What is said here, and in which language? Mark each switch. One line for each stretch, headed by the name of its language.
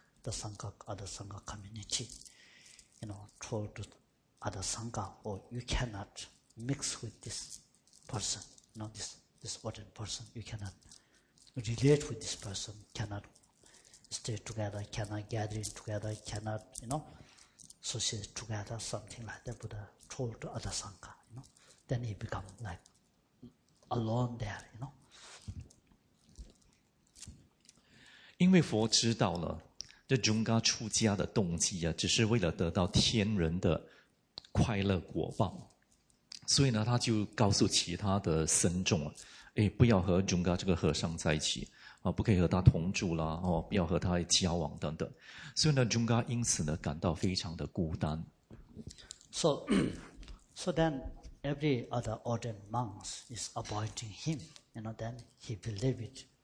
English: The Sangha, other Sangha community, you know, told other Sangha, oh, you cannot mix with this person, you know, this ordinary person, you cannot relate with this person, cannot stay together, cannot gather together, cannot, you know, associate together, something like that, Buddha told other Sangha, you know, then he become like alone there, you know.
Chinese: 因为佛知道了这中嘎出家的动机啊，只是为了得到天人的快乐果报，所以呢，他就告诉其他的僧众啊，不要和中嘎这个和尚在一起啊，不可以和他同住啦，不要和他交往等等。所以呢，中嘎因此呢感到非常的孤单。
English: So then every other ordained monks is avoiding him, you know. Then he believed.